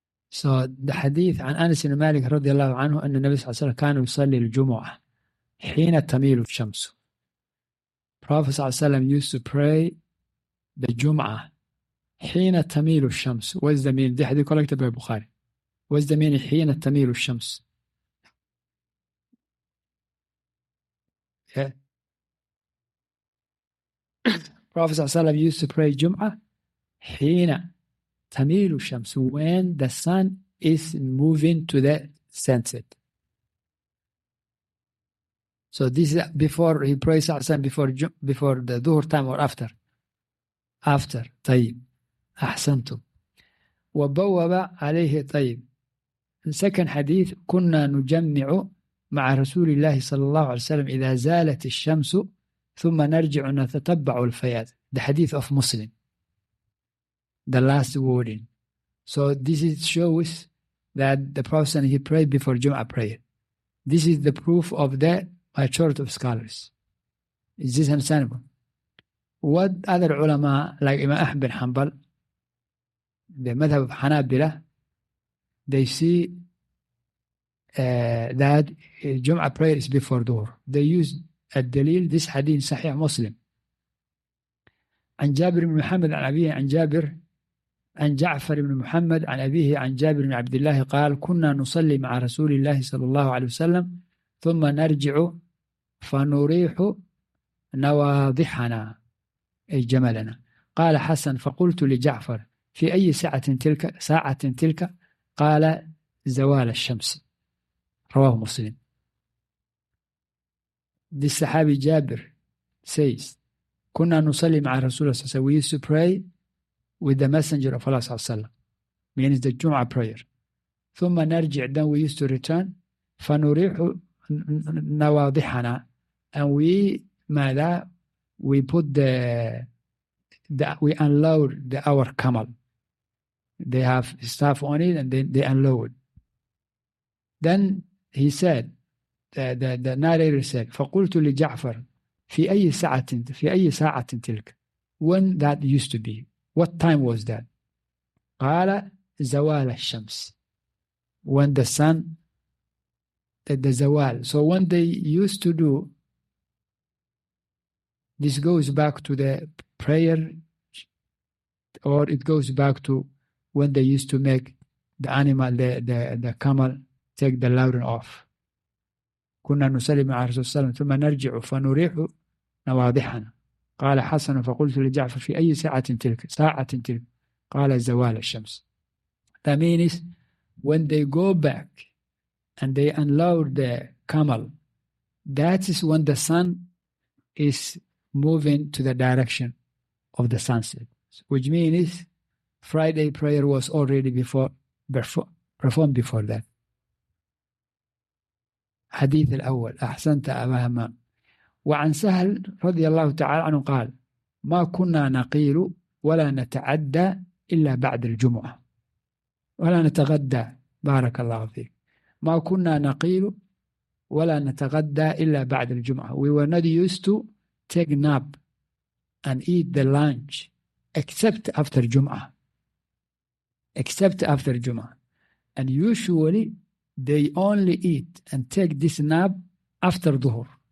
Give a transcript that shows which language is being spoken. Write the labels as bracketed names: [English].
[English] So the hadith [Arabic] عن أنس بن مالك رضي الله عنه أن النبي صلى الله عليه وسلم كان يصلي الجمعة حين تميل الشمس. Prophet صلى الله عليه وسلم [English] used to pray the [Arabic] جمعة حين تميل الشمس. [English] What's the meaning? [Arabic] دي حديث كتب البخاري. [English] What's the meaning [Arabic] حين تميل الشمس؟ [English] Yeah. Prophet [Arabic] صلى الله عليه وسلم [English] used to pray [Arabic] جمعة حين تميل الشمس, [English] when the sun is moving to the sunset. So this is before he prays Hassan, before the Dhuhr time or after? After. [Arabic] طيب. أحسنتم. وبوب عليه طيب. [English] In second hadith, [Arabic] كنا نجمع مع رسول الله صلى الله عليه وسلم إذا زالت الشمس ثم نرجع نتتبع الفيات. [English] The hadith of Muslim. The last wording. So this is shows that the Prophet and he prayed before Jum'ah prayer. This is the proof of the majority of scholars. Is this understandable? What other ulama like Imam Ahmad bin Hanbal, the Madhab of Hanabila, they see that Jum'ah prayer is before Dhuhr. They use a dalil, this hadith Sahih Muslim. [Arabic] عن جابر بن محمد عن أبيه عن جابر عن جعفر بن محمد عن أبيه عن جابر بن عبد الله قال كنا نصلي مع رسول الله صلى الله عليه وسلم ثم نرجع فنريح نواضحنا أي جملنا. قال حسن فقلت لجعفر في أي ساعة تلك؟ ساعة تلك؟ قال زوال الشمس. رواه مسلم. للصحابي جابر [English] says [Arabic] كنا نصلي مع رسول الله صلى الله عليه وسلم, [English] we used to pray with the messenger of Allah sallallahu alaihi wasallam, means the Jum'ah prayer. [Arabic] ثم نرجع, [English] then we used to return, [Arabic] فنريح نواضحنا, [English] and we [Arabic] ماذا, [English] we put the we unload the our camel. They have stuff on it and they unload. Then he said, the narrator said, [Arabic] فقلت لجعفر في أي ساعة تلك, [English] when that used to be. What time was that? [Arabic] قال زوال الشمس. [English] When the sun, the زوال. So when they used to do, this goes back to the prayer, or it goes back to when they used to make the animal, the camel, take the laden off. [Arabic] كنا نسلم على رسول الله ثم نرجع فنريح نواضحنا. قال حسن فقلت لجعفر في أي ساعة تلك؟ ساعة تلك. قال زوال الشمس. [English] That means when they go back and they unload the camel, that is when the sun is moving to the direction of the sunset. Which means Friday prayer was already performed before that. [Arabic] حديث الأول. أحسنت أبا همام. وعن سهل رضي الله تعالى عنه قال ما كنا نقيل ولا نتعدى إلا بعد الجمعة ولا نتغدى. بارك الله فيك. ما كنا نقيل ولا نتغدى إلا بعد الجمعة. [English] We were not used to take nap and eat the lunch except after جمعة. Except after جمعة. And usually they only eat and take this nap after ظهر.